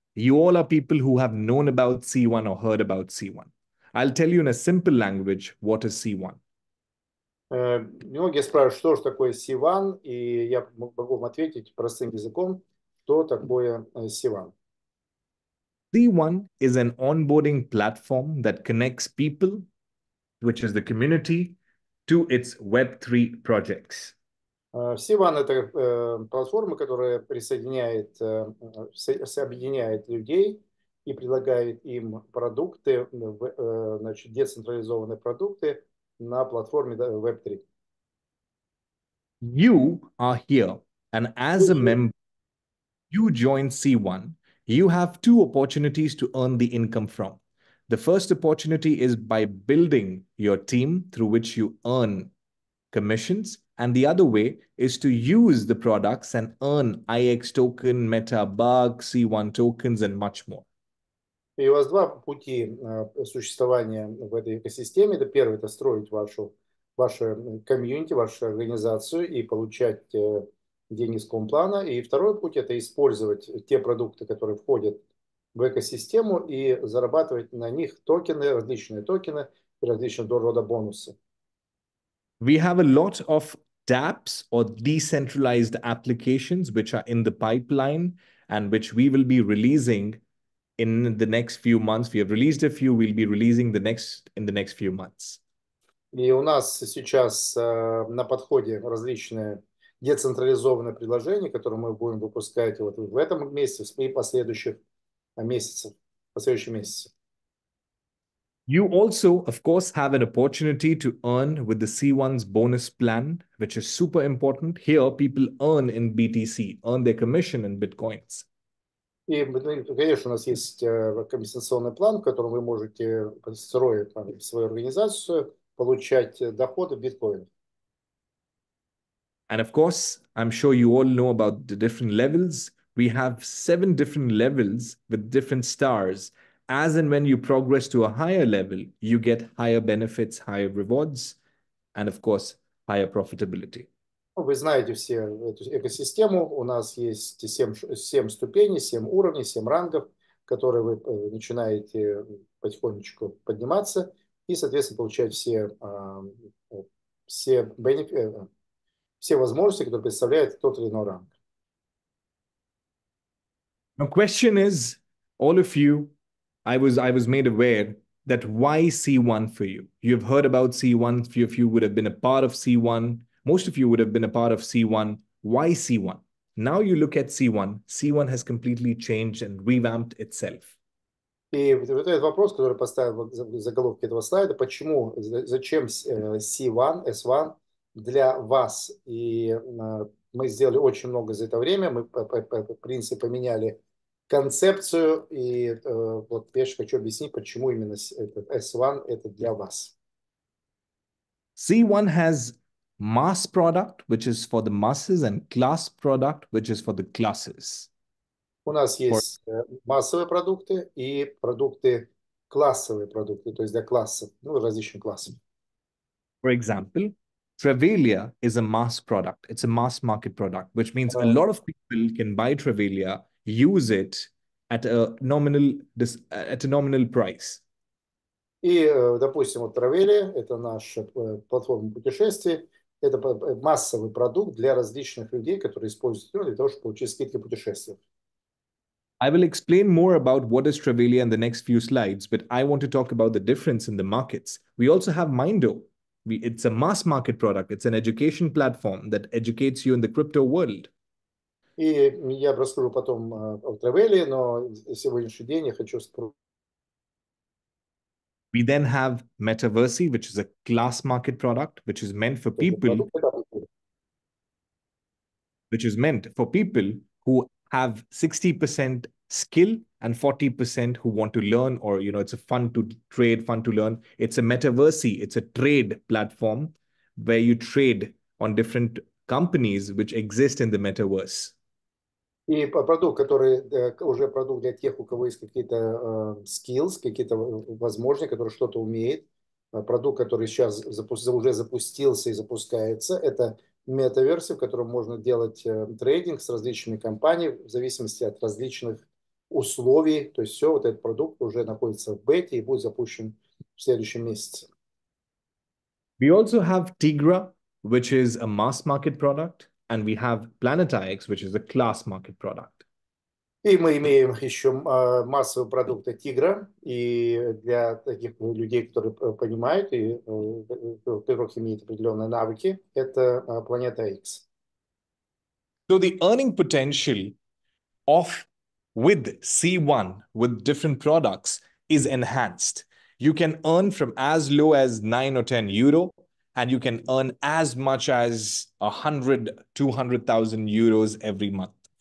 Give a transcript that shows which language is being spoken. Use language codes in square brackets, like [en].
[en] You all are people who have known about C1 or heard about C1. I'll tell you in a simple language what is C1. [ru] Многие спрашивают, что же такое C1, и я могу вам ответить простым языком, что такое C1. [en] C1 is an onboarding platform that connects people, which is the community, to its Web3 projects. [ru] C1 – это платформа, которая присоединяет, объединяет людей и предлагает им продукты, значит, децентрализованные продукты на платформе Web3. [en] You are here, and as a member, you join C1. You have two opportunities to earn the income from. The first opportunity is by building your team, through which you earn commissions. And the other way is to use the products and earn IX token, Meta, Bug, C1 tokens, and much more. [ru] И у вас два пути существования в этой экосистеме. Это первый – это строить вашу комьюнити, вашу организацию и получать деньги с комплана. И второй путь – это использовать те продукты, которые входят в экосистему и зарабатывать на них токены, различного рода бонусы. [en] We have a lot of dApps or decentralized applications which are in the pipeline and which we will be releasing in the next few months. We have released a few, we'll be releasing the next in the next few months. [ru] И у нас сейчас на подходе различные децентрализованные предложения, которые мы будем выпускать вот в этом месяце и в последующем месяце. [en] You also, of course, have an opportunity to earn with the C1's bonus plan, which is super important. Here, people earn in BTC, earn their commission in bitcoins. [ru] И, конечно, у нас есть компенсационный план, в котором вы можете строить свою организацию, получать доходы в биткоинах. [en] And of course, I'm sure you all know about the different levels. We have 7 different levels with different stars. As and when you progress to a higher level, you get higher benefits, higher rewards, and of course, higher profitability. [ru] Вы знаете все эту экосистему. У нас есть 7 ступеней, 7 уровней, 7 рангов, которые вы начинаете потихонечку подниматься и, соответственно, получать все возможности, которые представляет тот или иной ранг. [en] My question is, all of you, I was made aware that why C1 for you? You've heard about C1, few of you would have been a part of C1. Most of you would have been a part of C1. Why C1? Now you look at C1. C1 has completely changed and revamped itself. [ru] И вот этот вопрос, который поставил в заголовке этого слайда, почему, зачем C1, S1 для вас? И мы сделали очень много за это время. Мы, в принципе, поменяли концепцию. И вот я же хочу объяснить, почему именно этот S1 это для вас. [en] C1 has mass product, which is for the masses, and class product, which is for the classes. [ru] У нас есть массовые продукты и продукты классовые продукты, то есть для классов, ну, различных классов. [en] For example, Travelia is a mass product. It's a mass market product, which means a lot of people can buy Travelia, use it at a nominal price. [ru] И, допустим, вот Travelia – это наша платформа путешествий. Это массовый продукт для различных людей, которые используют его для того, чтобы получить скидки путешествия. [en] I will explain more about what is Travelia in the next few slides, but I want to talk about the difference in the markets. We also have Mindo. It's a mass market product. It's an education platform that educates you in the crypto world. [ru] И я расскажу потом о Travelia, но сегодняшний день я хочу [en] We then have Metaversy, which is a class market product, which is meant for people who have 60% skill and 40% who want to learn, or, you know, it's a fun to trade, fun to learn. It's a Metaversy. It's a trade platform where you trade on different companies which exist in the Metaverse. [ru] И продукт, который уже продукт для тех, у кого есть какие-то skills, какие-то возможности, которые что-то умеют. Продукт, который сейчас уже запустился и запускается, это метаверсия, в котором можно делать трейдинг с различными компаниями в зависимости от различных условий. То есть все, вот этот продукт уже находится в бете и будет запущен в следующем месяце. [en] We also have Tigra, which is a mass market product. And we have Planetix, which is a class market product. [ru] И мы имеем еще массовые продукты Тигра, и для таких людей, которые понимают, и у которых имеют определенные навыки, это Planetix. [en] So the earning potential of with C1, with different products, is enhanced. You can earn from as low as 9 or 10 euro, and you can earn as much as 100-200,000 euros every month.